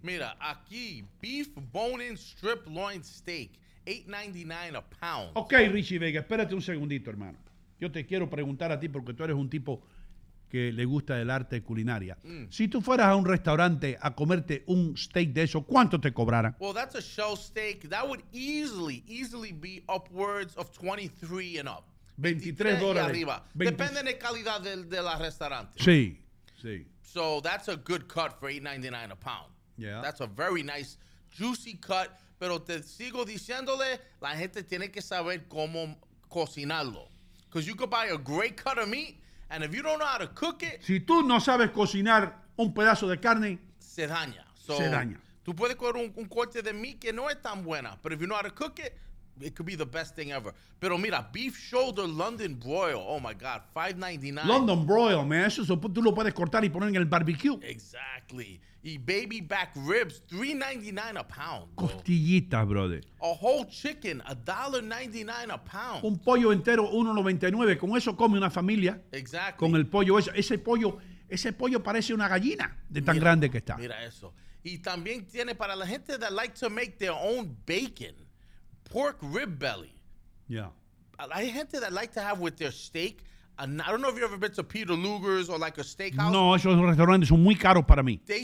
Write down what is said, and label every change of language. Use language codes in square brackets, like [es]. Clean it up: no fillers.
[es] Mira, aquí, [en] beef bone-in strip loin steak, $8.99 a pound. [es] Ok, Richie Vega, espérate un segundito, hermano. Yo te quiero preguntar a ti, porque tú eres un tipo que le gusta el arte culinaria. Mm. Si tú fueras a un restaurante a comerte un steak de eso, ¿cuánto te cobrara? [en] Well, that's a show steak. That would easily be upwards of $23 and up. [es] $23 arriba. 20. Depende de calidad de la restaurante. Sí, sí. [en] So that's a good cut for $8.99 a pound. Yeah. That's a very nice, juicy cut. [es] Pero te sigo diciéndole, la gente tiene que saber cómo cocinarlo. [en] Because you could buy a great cut of meat, and if you don't know how to cook it... [es] Si tú no sabes cocinar un pedazo de carne... Se daña. So se daña. Tú puedes coger un corte de meat que no es tan buena, pero [en] if you know how to cook it... It could be the best thing ever. [es] Pero mira, [en] beef shoulder London broil. Oh, my God. $5.99. London broil, man. [es] Eso tú lo puedes cortar y poner en el barbecue. [en] Exactly. Y baby back ribs, $3.99 a pound. [es] Bro. Costillita, brother. [en] A whole chicken, $1.99 a pound. [es] Un pollo entero, $1.99. Con eso come una familia. [en] Exactly. [es] Con el pollo. Ese pollo parece una gallina de tan grande que está. Mira eso. Y también tiene para la gente [en] that like to make their own bacon. Pork rib belly. Yeah. [es] Hay gente [en] that like to have with their steak. And I don't know if you've ever been to Peter Luger's or like a steakhouse. [es] No, esos restaurantes son muy caros para mí.